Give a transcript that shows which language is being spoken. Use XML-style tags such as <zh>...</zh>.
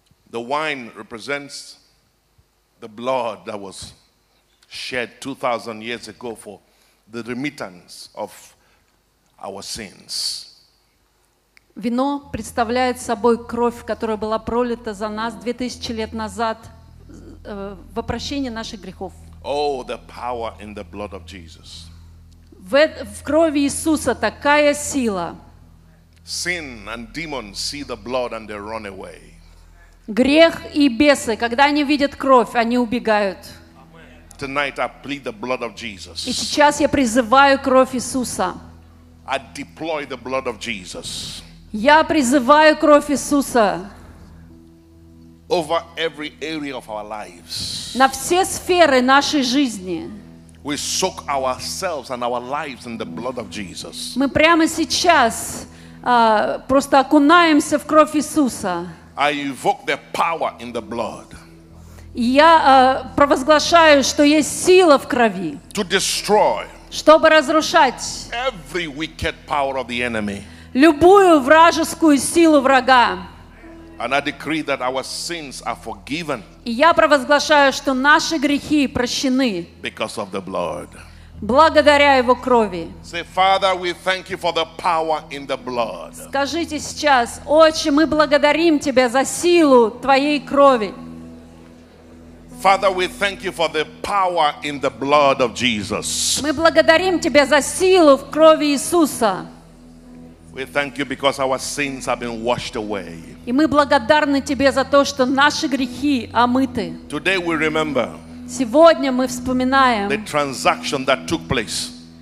<en>The wine represents the blood that was shed 2,000 years ago for the remittance of our sins.</en> <ru>Вино представляет собой кровь, которая была пролита за нас 2000 лет назад в прощении наших грехов.</ru> <en>Oh, the power in the blood of Jesus.</en> <ru>В крови Иисуса такая сила.</ru> <en>Sin and demons see the blood and they run away.</en> <ru>Грех и бесы, когда они видят кровь, они убегают.</ru> <en>Tonight I plead the blood of Jesus.</en> <ru>И сейчас я призываю кровь Иисуса.</ru> <en>I deploy the blood of Jesus.</en> <ru>Я призываю кровь Иисуса.</ru> <en>Over every area of our lives.</en> <ru>На все сферы нашей жизни.</ru> <en>We soak ourselves and our lives in the blood of Jesus.</en> <ru>Мы прямо сейчас просто окунаемся в кровь Иисуса.</ru> <en>I invoke the power in the blood.</en> <ru>Я провозглашаю, что есть сила в крови.</ru> <en>To destroy.</en> <ru>Чтобы разрушать.</ru> <en>Every wicked power of the enemy.</en> <ru>Любую вражескую силу врага.</ru> <en>And I decree that our sins are forgiven.</en> <ru>И я провозглашаю, что наши грехи прощены.</ru> <en>Because of the blood.</en> <ru>Благодаря его крови.</ru> <en>Say, Father, we thank you for the power in the blood.</en> <ru>Скажите сейчас: Отче, мы благодарим тебя за силу твоей крови.</ru> <en>Father, we thank you for the power in the blood of Jesus.</en> <ru>Мы благодарим тебя за силу в крови Иисуса.</ru> <en>We thank you because our sins have been washed away.</en> <ru>И мы благодарны тебе за то, что наши грехи омыты.</ru> <en>Today we remember.</en> <ru>Сегодня мы вспоминаем.</ru> <en>The transaction that took place.</en>